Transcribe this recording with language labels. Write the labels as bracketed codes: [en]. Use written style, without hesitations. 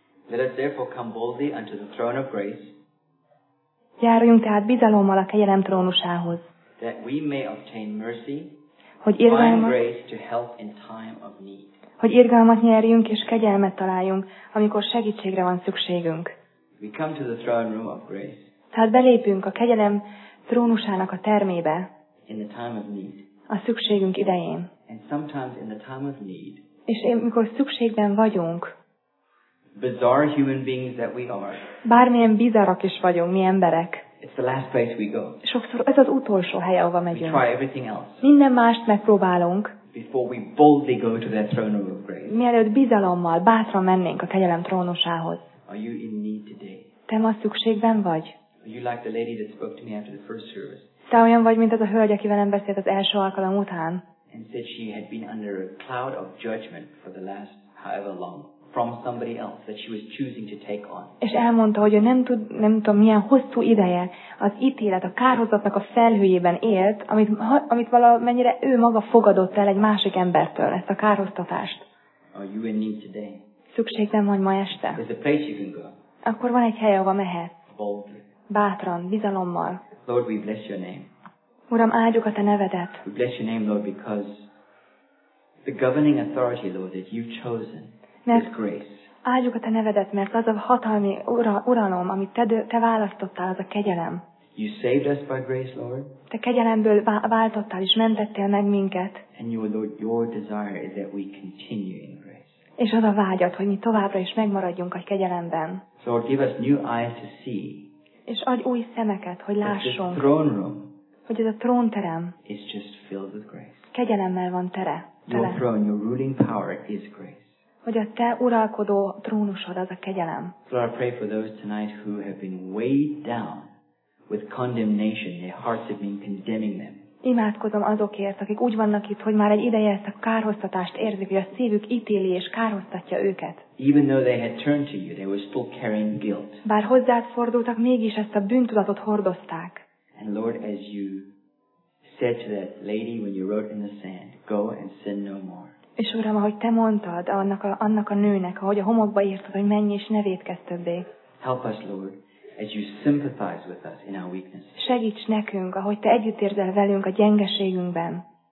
[en] Let us therefore come boldly unto the throne of grace. [hu] Járuljunk tehát bizalommal a kegyelem trónusához. [en] That we may obtain mercy. [hu] Hogy irgalmat, [en] grace to help in time of need. [hu] Hogy irgalmat nyerjünk és kegyelmet találjunk, amikor segítségre van szükségünk. [en] We come to the throne room of grace. [hu] Tehát belépünk a kegyelem trónusának a termébe. [en] In the time of need. [hu] A szükségünk idején. [en] And sometimes in the time of need. [hu] És amikor szükségben vagyunk. [en] Bizarre human beings that we are. [hu] Bármilyen bizarrak is vagyunk, mi emberek. [en] It's the last place we go. [hu] Sokszor ez az utolsó hely, ahova megyünk. [en] We try everything else. [hu] Minden mást megpróbálunk. [en] Before we boldly go to that throne of grace. [hu] Mielőtt bizalommal, bátran mennénk a kegyelem trónusához. [en] Are you in need today? [hu] Te ma szükségben vagy? [en] Are you like the lady that spoke to me after the first service? [hu] Te olyan vagy, mint az a hölgy, aki velem beszélt az első alkalom után. [en] And said she had been under a cloud of judgment for the last however long. From somebody else that she was choosing to take on. [hu] És elmondta, hogy ő nem tudom milyen hosszú ideje az ítélet, a kárhozatnak a felhőjében élt, amit valamennyire ő maga fogadott el egy másik embertől, ezt a kárhoztatást. [en] Are you in need today? [hu] Szükségben vagy ma este? [en] There's a place you can go. [hu] Akkor van egy hely, ahova mehetsz. [en] Boldly. [hu] Bátran, bizalommal. [en] Lord, we bless your name. [hu] Uram, áldjuk a te nevedet. [en] We bless your name, Lord, because the governing authority, Lord, that you've chosen. [hu] Mert áldjuk a te nevedet, mert az a hatalmi uralom, amit te választottál, az a kegyelem. [en] You saved us by grace, Lord. [hu] Te kegyelemből váltottál és mentettél meg minket. [en] And your, Lord, your desire is that we continue in grace. [hu] És az a vágyad, hogy mi továbbra is megmaradjunk a kegyelemben. [en] So Lord, give us new eyes to see. [hu] És adj új szemeket, hogy lássunk. [en] The throne room. [hu] Hogy ez a trónterem. [en] Is just filled with grace. [hu] Kegyelemmel van tele. [en] Your throne, your ruling power is grace. [hu] Hogy a te uralkodó trónusod az a kegyelem. [en] Lord, I pray for those tonight who have been weighed down with condemnation. Their hearts have been condemning them. [hu] Imádkozom azokért, akik úgy vannak itt, hogy már egy ideje ezt a kárhoztatást érzik, hogy a szívük ítéli és kárhoztatja őket. [en] Even though they had turned to you, they were still carrying guilt. [hu] Bár hozzád fordultak, mégis ezt a bűntudatot hordozták. [en] And Lord, as you said to that lady when you wrote in the sand, go and sin no more. [hu] És Uram, ahogy te mondtad annak a nőnek, ahogy a homokba írtad, hogy menj és ne vétkezz többé. [en] Help us, Lord, as you sympathize with us in our weakness. [hu] Segíts nekünk, ahogy te együtt érzel velünk a gyengeségünkben.